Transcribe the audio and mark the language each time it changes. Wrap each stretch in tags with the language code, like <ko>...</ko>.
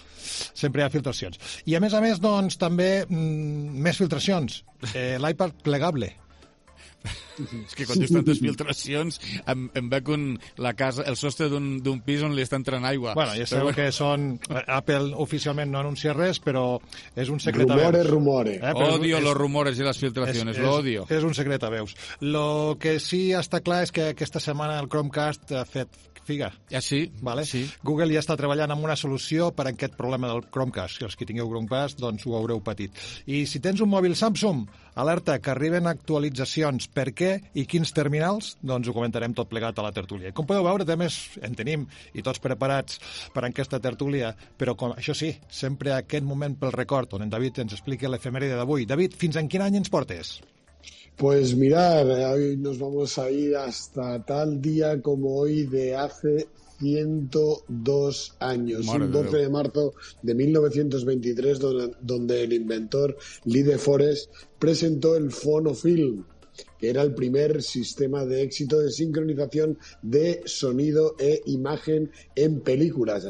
<ca>Sempre hi ha filtracions. I a més, doncs, també més filtracions. L'iPad plegable. És que quan dius tantes filtracions, em veig la casa, el sostre d'un pis on li està entrant aigua. Bueno, ja sabeu que són... Apple oficialment no anuncia res, però és un secret a veus. Rumore, rumore.</ca> <es>Odio los rumores y las filtraciones, lo odio.</es> <ca>És un secret a veus.</ca> <es>Lo que sí</es> <ca>està clar és que aquesta setmana el Chromecast ha fet figa. Ah, sí? Vale? Sí. Google ja està treballant en una solució per a aquest problema del Chromecast. Si els que tingueu Chromecast, doncs ho haureu patit. I si tens un mòbil Samsung, alerta, que arriben actualitzacions. Per què i quins terminals? Doncs ho comentarem tot plegat a la tertúlia. Com podeu veure, també en tenim i tots preparats per a aquesta tertúlia, però com, això sí, sempre aquest moment pel record on en David ens explica l'efemèride d'avui. David, fins en quin any ens portes?</ca> <es>Pues mirad, hoy nos vamos a ir hasta tal día como hoy de hace 102 años, un 12 de marzo de 1923, donde el inventor Lee DeForest presentó el PhonoFilm, que era el primer sistema de éxito de sincronización de sonido e imagen en películas.</es>